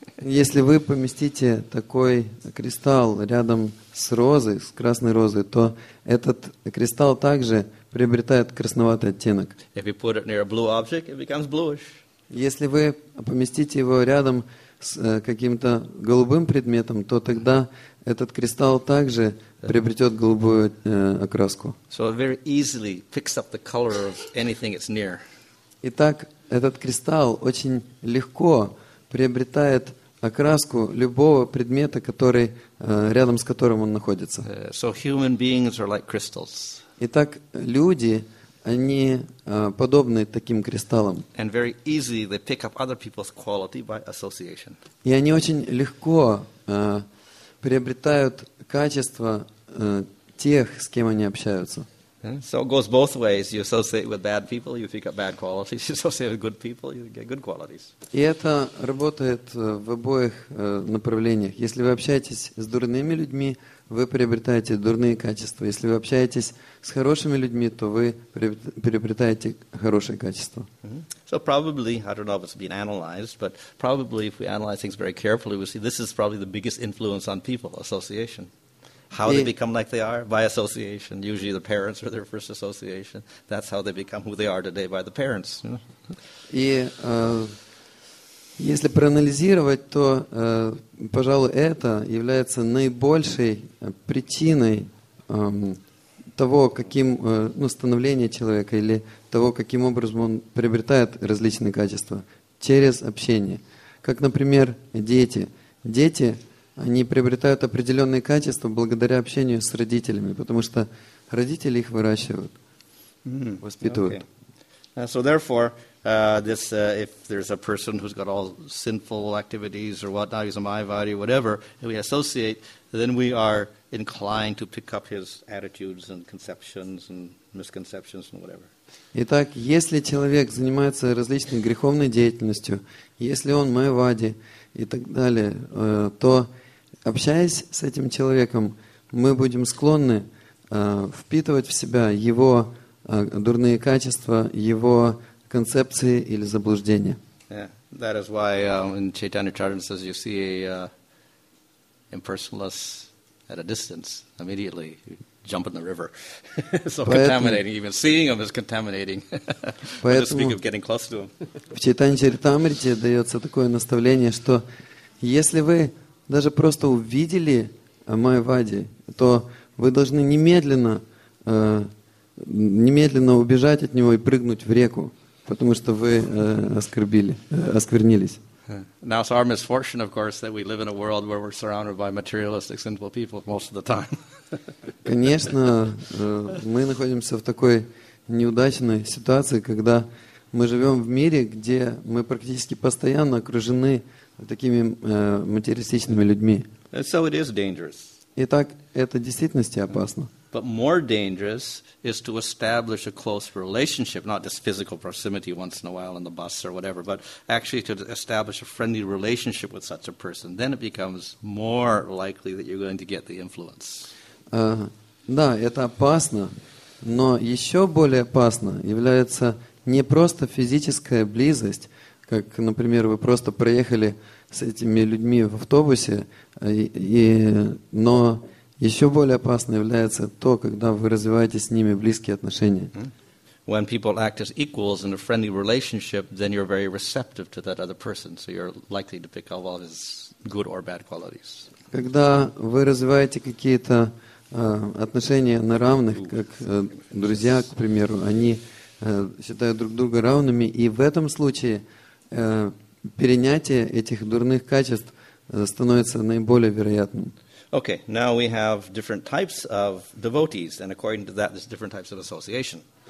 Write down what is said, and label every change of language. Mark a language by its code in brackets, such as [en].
[ru] Если вы поместите такой кристалл рядом с розой, с красной розой, то этот кристалл также приобретает красноватый оттенок. [en] If you put it near a blue object, it becomes bluish. [ru] Если вы поместите его рядом с каким-то голубым предметом, то тогда этот кристалл также приобретет голубую окраску. [en] So it very easily picks up the color of anything it's near. [ru] Итак, этот кристалл очень легко приобретает окраску любого предмета, который рядом с которым он находится. [en] So human beings are like crystals. [ru] Итак, люди, они подобны таким кристаллам. [en] And very easily they pick up other people's quality by association. [ru] И они очень легко приобретают качества тех, с кем они общаются. [en] So it goes both ways. You associate with bad people, you pick up bad qualities. You associate with good people, you get good qualities. [ru] И это работает в обоих направлениях. Если вы общаетесь с дурными людьми, вы приобретаете дурные качества. Если вы общаетесь с хорошими людьми, то вы приобретаете хорошие качества. [en] So probably, I don't know if it's been analyzed, but probably if we analyze things very carefully, we see this is probably the biggest influence on people, association. How they become like they are? By association. Usually the parents are their first association. That's how they become who they are today, by the parents. [ru] И если проанализировать, то, пожалуй, это является наибольшей причиной того, каким становление человека или того, каким образом он приобретает различные качества через общение. Как, например, дети. Дети, они приобретают определенные качества благодаря общению с родителями, потому что родители их выращивают, воспитывают. [en] Okay. So therefore, if there's a person who's got all sinful activities or whatnot, he's a mayavadi, whatever, and we associate, then we are inclined to pick up his attitudes and conceptions and misconceptions and whatever. [ru] Итак, если человек занимается различной греховной деятельностью, если он майвади и так далее, то общаясь с этим человеком, мы будем склонны впитывать в себя его дурные качества, его концепции или заблуждения. [en] Yeah, that is why in Chaitanya Charitamrita says you see an impersonalist at a distance, immediately jump in the river. So contaminating, even seeing him is contaminating. [ru] Поэтому, [en] just speak of getting close to him. [ru] В Чайтанья Чаритамрите дается такое наставление, что если вы даже просто увидели Майавади, то вы должны немедленно убежать от него и прыгнуть в реку, потому что вы осквернились. [en] Now it's our misfortune, of course, that we live in a world where we're surrounded by materialistic, sinful people most of the time. [ru] Конечно, мы находимся в такой неудачной ситуации, когда мы живем в мире, где мы практически постоянно окружены такими материалистичными людьми. [en] And so it is dangerous. [ru] Итак, это действительно опасно. [en] But more dangerous is to establish a close relationship, not just physical proximity once in a while in the bus or whatever, but actually to establish a friendly relationship with such a person. Then it becomes more likely that you're going to get the influence. [ru] Да, это опасно, но еще более опасно является не просто физическая близость, как, например, вы просто проехали с этими людьми в автобусе, но еще более опасно является то, когда вы развиваете с ними близкие отношения. [en] When people act as equals in a friendly relationship, then you're very receptive to that other person, so you're likely to pick up all his good or bad qualities. [ru] Когда вы развиваете какие-то отношения на равных, как друзья, к примеру, они считают друг друга равными, и в этом случае перенятие этих дурных качеств становится наиболее вероятным. [en] Okay, now we have different types of devotees, and according to that, there's different types of association.